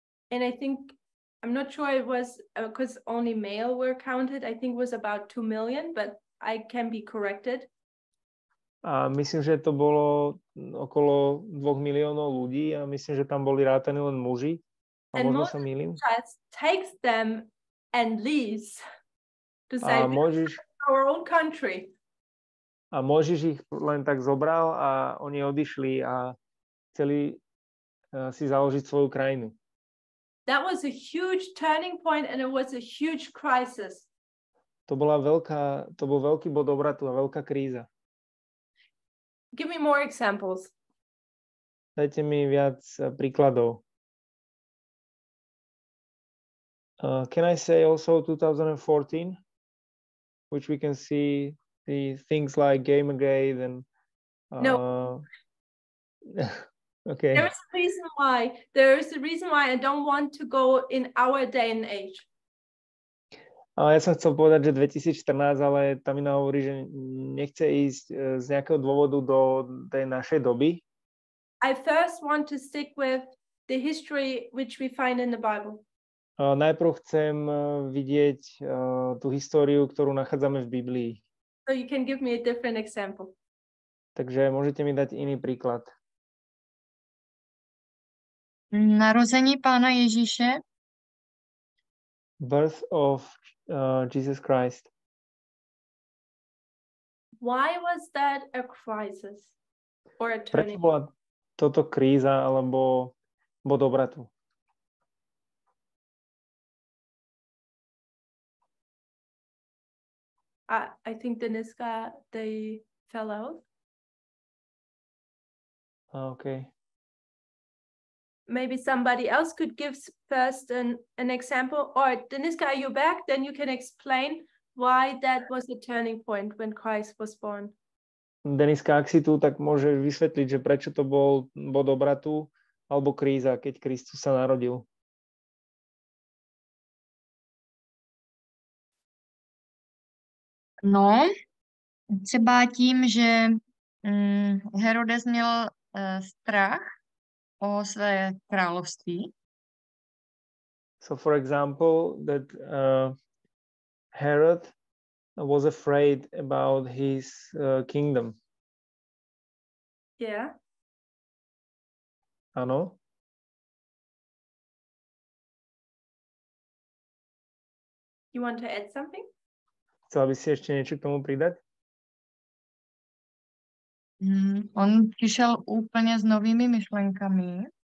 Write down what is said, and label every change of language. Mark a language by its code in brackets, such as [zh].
[en] And I think, I'm not sure it was, because only male were counted, I think it was about 2 million, but I can be corrected. [sk] A myslím, že to bolo okolo 2 miliónov ľudí a myslím, že tam boli rátani len muži. A možno sa mýlim. [en] Takes them and leaves to say Mojžiš, our own country. [sk] A Mojžiš ich len tak zobral a oni odišli a chceli si založiť svoju krajinu. [en] That was a huge turning point and it was a huge crisis. [sk] To bol veľký bod obratu a veľká kríza. [en] Give me more examples. [sk] Dajte mi viac príkladov. [en] Can I say also 2014, which we can see the things like Gamergate and... No. Okay. There is a reason why I don't want to go in our day and age. [sk] Ja som chcel povedať, že 2014, ale Tamina hovorí, že nechce ísť z nejakého dôvodu do tej našej doby. [en] I first want to stick with the history which we find in the Bible. [sk] Najprv chcem vidieť tú históriu, ktorú nachádzame v Biblii. [en] So you can give me a different example. [sk] Takže môžete mi dať iný príklad. [cs] Narození Pána Ježíše. [en] Birth of Jesus Christ. Why was that a crisis or a turning? [sk] Prečo bola toto kríza alebo bod obratu? [en] I think Deniska, they fell out. Okay. Maybe somebody else could give first an example. Or Deniska, are you back? Then you can explain why that was the turning point when Christ was born. [sk] Deniska, ak si tu, tak môže vysvetliť, že prečo to bol bod obratu alebo kríza, keď Kristus sa narodil. [cs] No, třeba tím, že Herodes měl strach o své království. [en] So for example that Herod was afraid about his kingdom. Yeah. [cs] Ano. [en] You want to add something? [sk] Chcela by si ešte niečo k tomu pridať? [cs] On přišel úplně s novými myšlenkami.